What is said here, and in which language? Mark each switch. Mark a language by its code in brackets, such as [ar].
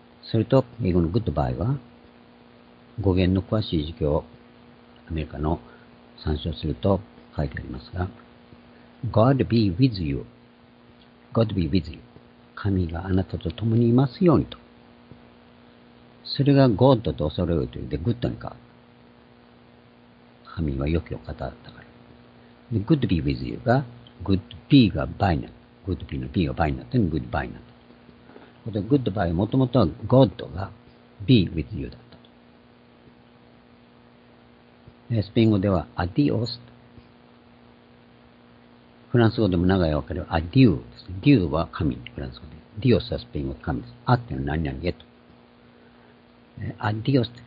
[ja] それと、英語のグッドバイは、語源の詳しい辞書をアメリカの参照すると書いてありますが、 [en] God be with you. God be with you. [ja] 神があなたと共にいますようにと。それが God と恐れるというので、グッドに変わる。神は良きお方だったから。 [en] Good be with you [ja] が、Good be が by な。 Good be の be が by になったように、Good by な。ここで goodbye もともとは God が be with you だったと。スペイン語では adios。フランス語でも長い別れは adieu です。dieu は神、フランス語で。dios はスペイン語で神です。あっての何々へと。adios、